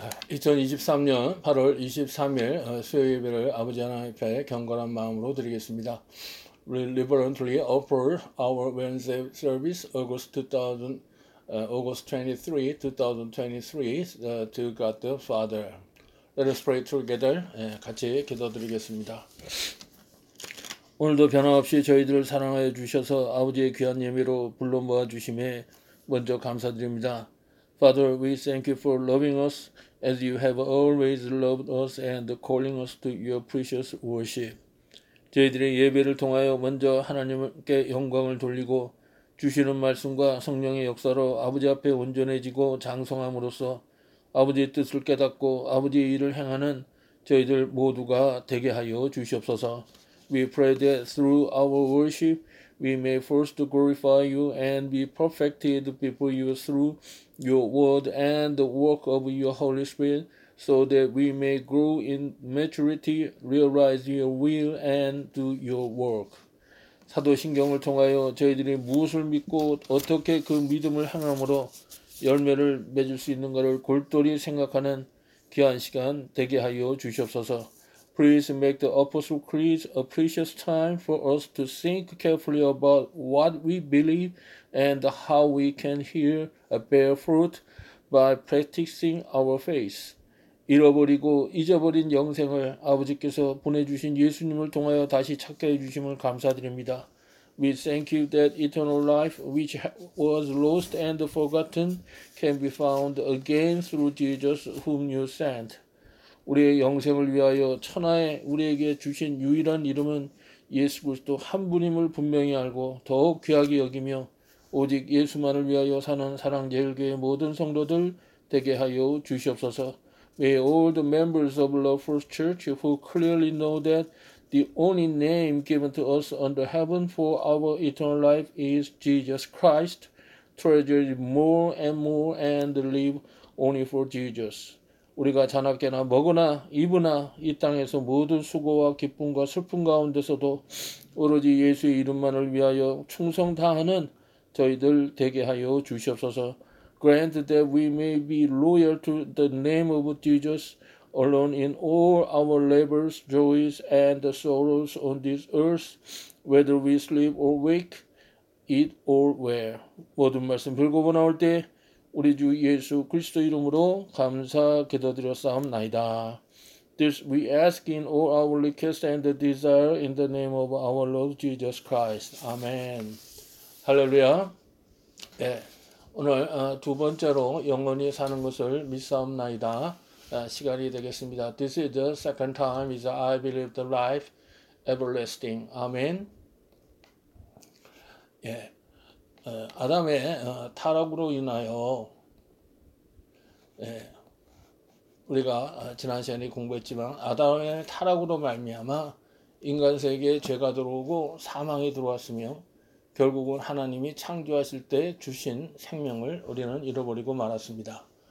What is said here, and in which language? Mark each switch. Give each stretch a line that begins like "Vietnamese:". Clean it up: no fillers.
Korean: 2023년 8월 23일 수요 예배를 아버지 하나님께 경건한 마음으로 드리겠습니다.
English: We reverently offer our Wednesday service August 23, 2023 to God the Father. Let us pray together.
Korean: 같이 기도드리겠습니다. 오늘도 변함없이 저희들을 사랑하여 주셔서 아버지의 귀한 예배로 불러 모아 주심에 먼저 감사드립니다.
English: Father, we thank you for loving us as you have always loved us and calling us to your precious worship.
Korean: 저희들의 예배를 통하여 먼저 하나님께 영광을 돌리고 주시는 말씀과 성령의 역사로 아버지 앞에 온전해지고 장성함으로써 아버지의 뜻을 깨닫고 아버지의 일을 행하는 저희들 모두가 되게 하여 주시옵소서.
English: We pray that through our worship, we may first glorify you and be perfected before you through your word and the work of your Holy Spirit, so that we may grow in maturity, realize your will, and do your work.
Korean: 사도신경을 통하여 저희들이 무엇을 믿고 어떻게 그 믿음을 행함으로 열매를 맺을 수 있는가를 골똘히 생각하는 귀한 시간 되게 하여 주시옵소서.
English: Please make the Apostle Creed a precious time for us to think carefully about what we believe and how we can here bear fruit by practicing our faith.
Korean: 잃어버리고 잊어버린 영생을 아버지께서 보내주신 예수님을 통하여 다시 찾게 해주심을 감사드립니다.
English: We thank you that eternal life which was lost and forgotten can be found again through Jesus whom you sent.
Korean: 우리의 영생을 위하여 천하에 우리에게 주신 유일한 이름은 예수 그리스도 한 분임을 분명히 알고 더욱 귀하게 여기며 오직 예수만을 위하여 사는 사랑제일교회의 모든 성도들 되게 하여 주시옵소서.
English: May all the members of Love First Church who clearly know that the only name given to us under heaven for our eternal life is Jesus Christ treasure it more and more and live only for Jesus.
Korean: 우리가 자나깨나 먹으나 입으나 이 땅에서 모든 수고와 기쁨과 슬픔 가운데서도 오로지 예수의 이름만을 위하여 충성 다하는 저희들 되게 하여 주시옵소서.
English: Grant that we may be loyal to the name of Jesus alone in all our labors, joys, and sorrows on this earth, whether we sleep or wake, eat or wear.
Korean: 모든 말씀 불구하고 나올 때 우리 주 예수 그리스도 이름으로 감사 기도드렸사옵나이다.
English: This we ask in all our requests and desire in the name of our Lord Jesus Christ. Amen. 할렐루야.
Korean: 네, 오늘 두 번째로 영원히 사는 것을 믿사옵나이다 시간이 되겠습니다.
English: This is the second time is I believe the life everlasting. Amen.
Korean: 예. 네. 아담의 타락으로 인하여 우리가 지난 시간에 공부했지만 아담의 타락으로 말미암아 인간 세계에 죄가 들어오고 사망이 들어왔으며 결국은 하나님이 창조하실 때 주신 생명을 우리는 잃어버리고 말았습니다.